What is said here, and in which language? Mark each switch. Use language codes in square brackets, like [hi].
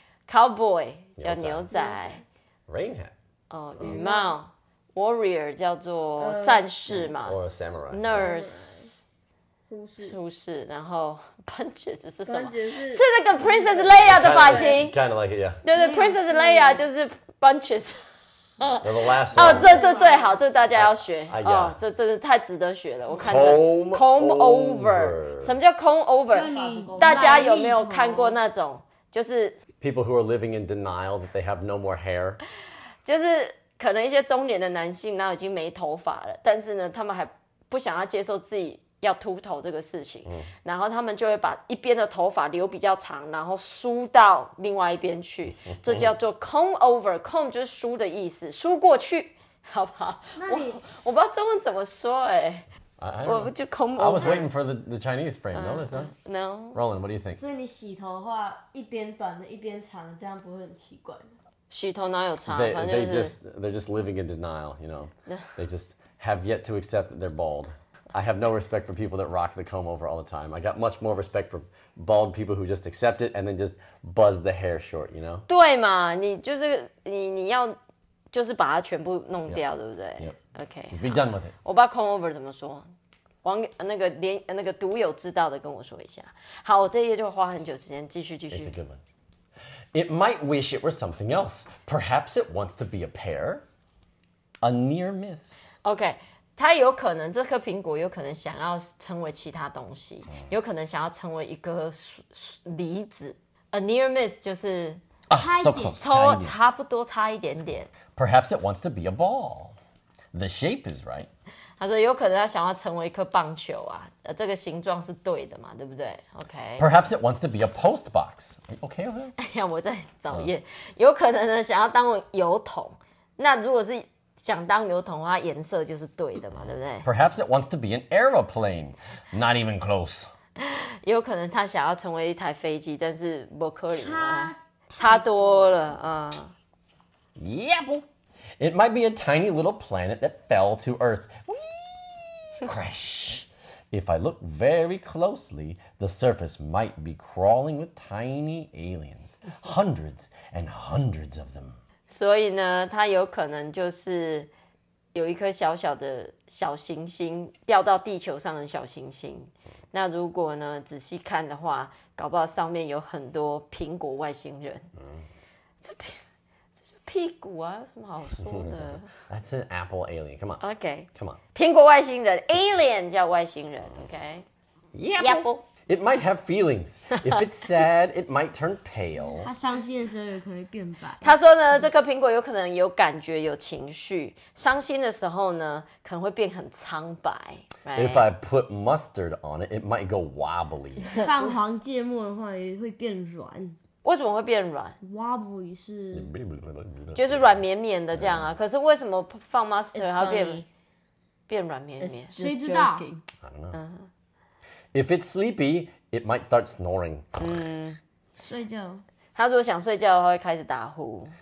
[zh] Cowboy 叫牛仔 [en] ，Rain hat [zh] 哦，羽帽 ，Warrior 叫做战士嘛 [en] ，Or Samurai Nurse [zh] 护士，然后 Punches 是什么？ [en] Punches、 [zh] 是那个 Princess Leia 的发型 [en] ，Kind of like it， yeah， [zh] 对对 ，Princess Leia 就是 Punches， [en] 那 the last [zh] 哦，这最好，这大家要学哦，这真是太值得学了，我看这 [en] Comb over， [zh] 什么叫 Comb over？大家有没有看过那种就是？ [en] People who are living in denial that they have no more hair. [zh] 就是可能一些中年的男性那已经没头发了，但是呢，他们还不想要接受自己要秃头这个事情。嗯，然后他们就会把一边的头发留比较长，然后梳到另外一边去，这叫做 comb over. Comb 就是梳的意思，梳过去，好不好？我不知道中文怎么说哎。我不就 comb over. [en] I was waiting for the Chinese frame. No, no, no. Roland, what do you think? [zh] 所以你洗头的话，一边短的，一边长，这样不会很奇怪吗？洗头哪有长？ [en] They're just living in denial. You know, they just have yet to accept that they're bald. I have no respect for people that rock the comb over all the time. I got much more respect for bald people who just accept it and then just buzz the hair short. You know? [zh] 对嘛，你就是你要就是把它全部弄掉， [en] yep. [zh] 对不对？ [en] Yep. Okay, be done with it. [zh] 我把 comb over 怎么说？王那个连那个独有知道的跟我说一下。好，我这页就花很久时间继续。 [en] It's a good one. It might wish it were something else. Perhaps it wants to be a pear. A near miss. [zh] Okay, 它有可能这颗苹果有可能想要成为其他东西，有可能想要成为一个梨子。 [en] A near miss 就是 [zh] 差不多差一点点。 [en] Perhaps it wants to be a ball. The shape is right. [zh] 他说有可能他想要成为一颗棒球啊，这个形状是对的嘛，对不对 ？OK. [en] Perhaps it wants to be a post box. Okay. [zh] 哎呀，我在找页。有可能呢，想要当油桶。那如果是想当油桶的话，颜色就是对的嘛，对不对 [en] ？Perhaps it wants to be an aeroplane. Not even close. [zh] 有可能他想要成为一台飞机，但是不可能，差多了。 [en] Yeah, boy. It might be a tiny little planet that fell to Earth. Whee! Crash! If I look very closely, the surface might be crawling with tiny aliens. Hundreds and hundreds of them. [zh] 所以呢，它有可能就是有一颗小小的小行星掉到地球上的小行星。那如果呢，仔细看的话，搞不好上面有很多苹果外星人。这边。屁股啊，有什么好说的 [en] ？That's an apple alien. Come on. Okay. Come on. [zh] 苹果外星人 ，alien 叫外星人。Okay. [en] Yeah. Apple. It might have feelings. If it's sad, it might turn pale. [zh] 他伤心的时候也可以变白。他说呢，这颗苹果有可能有感觉，有情绪。伤心的时候呢，可能会变很苍白。 [en] Right? If I put mustard on it, it might go wobbly. [zh] 放黄芥末的话也会变软。为什么会变软 [en] ？Wobbly 是 [zh] 就是软绵绵的这样啊。可是为什么放 mustard 它变？变软绵绵，谁知道 [en] ？I don't know. If it's sleepy, it might start snoring. [zh] 睡觉。他如果想睡觉的话，会开始打呼。